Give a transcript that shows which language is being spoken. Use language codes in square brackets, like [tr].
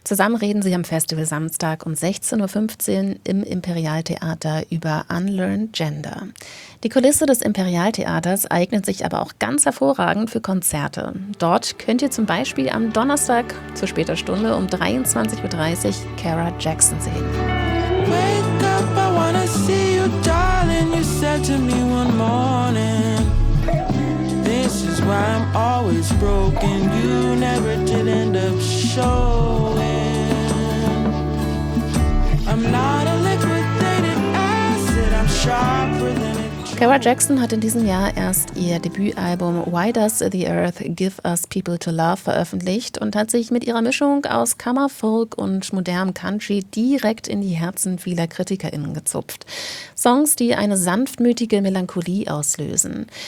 [de] Zusammen reden sie am Festival Samstag um 16.15 Uhr im Imperialtheater über Unlearn Gender. Die Kulisse des Imperialtheaters eignet sich aber auch ganz hervorragend für Konzerte. Dort könnt ihr zum Beispiel am Donnerstag zu später Stunde um 23.30 Uhr Kara Jackson sehen. [en] Wake up, I wanna see you, darling, you said to me one morning. This is why I'm always broken, you never did end up showing. I'm not a liquidated asset, I'm sharper than it. [de] Kara Jackson hat in diesem Jahr erst ihr Debütalbum Why Does the Earth Give Us People to Love veröffentlicht und hat sich mit ihrer Mischung aus Kammerfolk und modernem Country direkt in die Herzen vieler KritikerInnen gezupft. Songs, die eine sanftmütige Melancholie auslösen.